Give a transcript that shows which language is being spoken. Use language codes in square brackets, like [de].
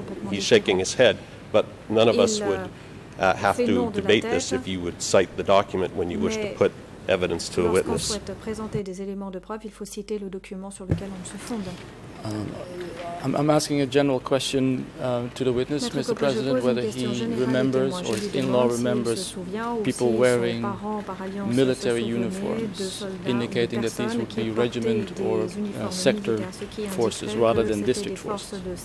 [en] He's shaking his head. But none of us would have to debate this if you would cite the document when you wish to put evidence to a witness. [fr] Lorsqu'on souhaite présenter des éléments de preuve, il faut citer le document sur lequel on se fonde. [en] I'm asking a general question to the witness, Mr. President, whether he remembers or his in-law remembers people wearing military uniforms, indicating that these would be regiment or sector forces rather than district forces.